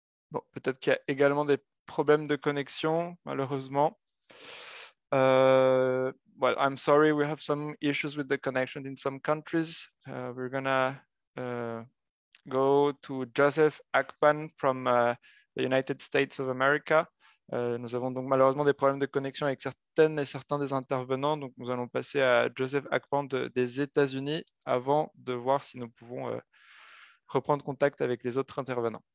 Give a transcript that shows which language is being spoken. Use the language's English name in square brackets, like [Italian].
[French] Bon, peut-être qu'il y a également des problèmes de connexion, malheureusement. [English] Well, I'm sorry, we have some issues with the connection in some countries. We're gonna go to Joseph Akpan from the United States of America. [French] Nous avons donc malheureusement des problèmes de connexion avec certaines et certains des intervenants, donc nous allons passer à Joseph Akpan des États-Unis avant de voir si nous pouvons reprendre contact avec les autres intervenants.